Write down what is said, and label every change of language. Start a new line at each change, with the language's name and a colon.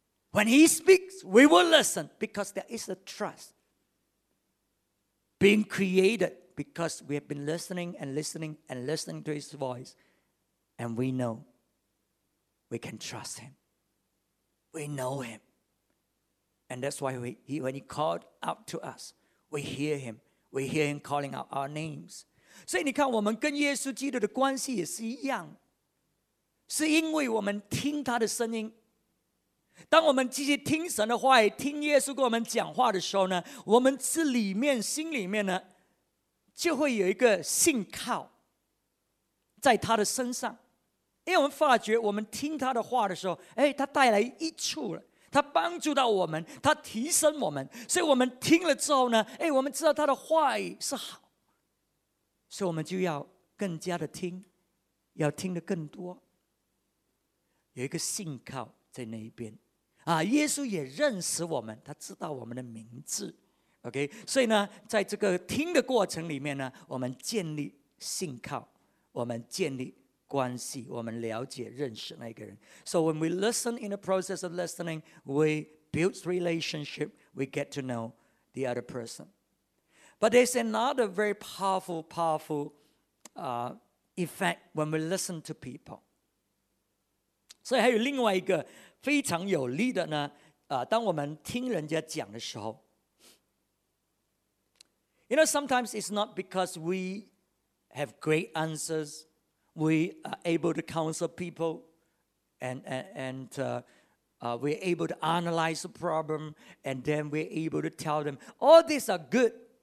English: When he speaks, we will listen because there is a trust being created because we have been listening and listening and listening to his voice. And we know we can trust him. We know him. And that's why when he called out to us, we hear him. We hear him calling out our names.
Chinese: 所以你看，我们跟耶稣基督的关系也是一样，是因为我们听他的声音。当我们继续听神的话语，听耶稣跟我们讲话的时候呢，我们这里面心里面呢，就会有一个信靠在他的身上。因为我们发觉我们听他的话的时候，哎，他带来益处了，他帮助到我们，他提升我们，所以我们听了之后呢，哎，我们知道他的话语是好，所以我们就要更加的听，要听得更多，有一个信靠在那一边啊。耶稣也认识我们，他知道我们的名字， OK， 所以呢，在这个听的过程里面呢，我们建立信靠，我们建立关系，我们了解认识那个人。
English: So when we listen in the process of listening, we build relationship, we get to know the other person. But there's another very powerful effect when we listen to people.
Chinese: 所以还有另外一个非常有力的呢，当我们听人家讲的时候，
English: You know, sometimes it's not because we have great answers,We are able to counsel people and we're able to analyze the problem and then we're able to tell them. All these are good.